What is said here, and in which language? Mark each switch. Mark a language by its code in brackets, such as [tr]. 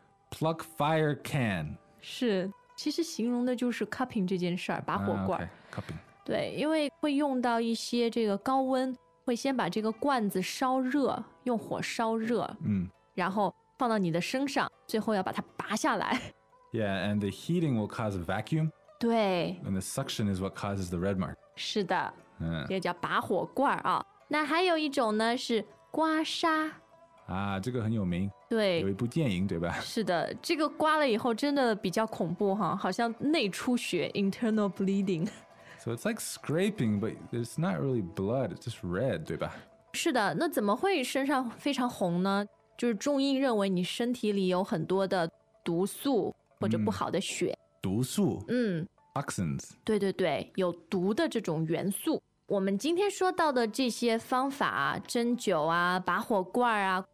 [en] Pluck fire can. [zh] 是，其实形容的就是 cupping 这件事儿，拔火罐。 [en] Cupping. [zh] 对，因为会用到一些这个高温，会先把这个罐子烧热，用火烧热，嗯，然后放到你的身上，最后要把它拔下来。 [en] Yeah, and the heating will cause a vacuum. [zh] 对。 [en] And the suction is what causes the red mark. [zh] 是的。嗯。这个叫拔火罐啊。那还有一种呢，是刮痧。啊，这个很有名。对，有一部电影，对吧？是的，这个刮了以后真的比较恐怖哈，好像内出血 ， [en] internal bleeding。 So it's like scraping, but it's not really blood, it's just red, [zh] 对吧？是的，那怎么会身上非常红呢？就是中医认为你身体里有很多的毒素或者不好的血。嗯、毒素？嗯 [en] ，toxins。 [zh] 对对对，有毒的这种元素。我们今天说到的这些方法，针灸啊，拔火罐啊。